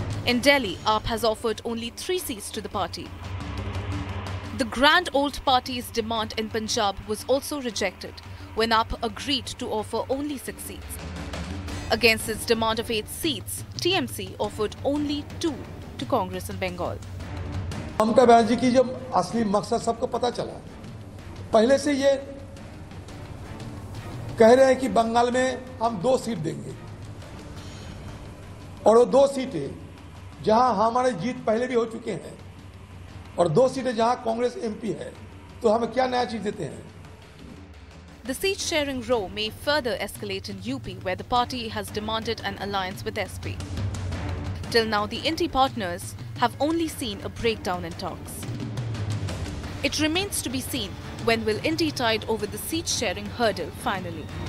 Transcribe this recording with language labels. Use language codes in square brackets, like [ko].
[en] In Delhi, AAP has offered only 3 seats to the party. The grand old party's demand in Punjab was also rejected when AAP agreed to offer only 6 seats. Against its demand of 8 seats, TMC offered only 2 to Congress in Bengal. [hi] Mamata Banerjee की जब असली मकसद सबको पता चला, पहले से ये कह रहे हैं कि बंगाल में हम 2 सीट देंगे और वो 2 सीटें जहां हमारे जीत पहले भी हो चुके हैं और 2 सीटें जहां कांग्रेस एमपी है, तो हमें क्या नया चीज देते हैं? [en] The seat sharing row may further escalate in UP, where the party has demanded an alliance with SP. Till now, the Indy partners have only seen a breakdown in talks. It remains to be seen when will Indy tide over the seat-sharing hurdle finally.